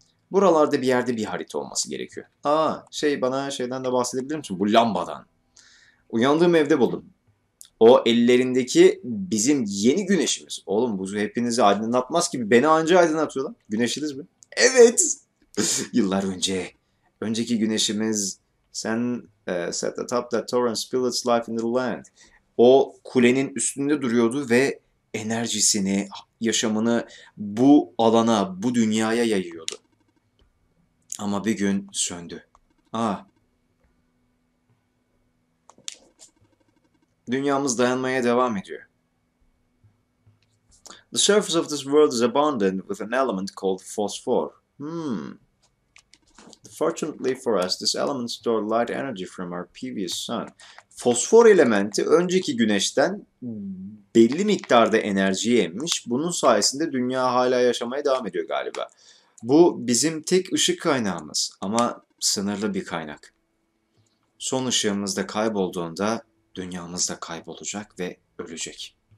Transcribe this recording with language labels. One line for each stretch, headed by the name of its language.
Turkish: Buralarda bir yerde bir harita olması gerekiyor. Aa, şey bana şeyden de bahsedebilir misin? Bu lambadan. Uyandığım evde buldum. O ellerindeki bizim yeni güneşimiz. Oğlum bu hepinizi aydınlatmaz ki, beni anca aydınlatıyor lan. Güneşiniz mi? Evet. Yıllar önce. Önceki güneşimiz.
English: Sen set atop that torrent spill its life in the land.
Turkish: O kulenin üstünde duruyordu ve enerjisini, yaşamını bu alana, bu dünyaya yayıyordu. Ama bir gün söndü. Ah. Dünyamız dayanmaya devam ediyor.
English: The surface of this world is abundant with an element called phosphor. Fortunately for us, this element stored light energy from our previous sun.
Turkish: Fosfor elementi önceki güneşten belli miktarda enerjiyi emmiş. Bunun sayesinde dünya hala yaşamaya devam ediyor galiba. Bu bizim tek ışık kaynağımız ama sınırlı bir kaynak. Son ışığımız da kaybolduğunda dünyamız da kaybolacak ve ölecek.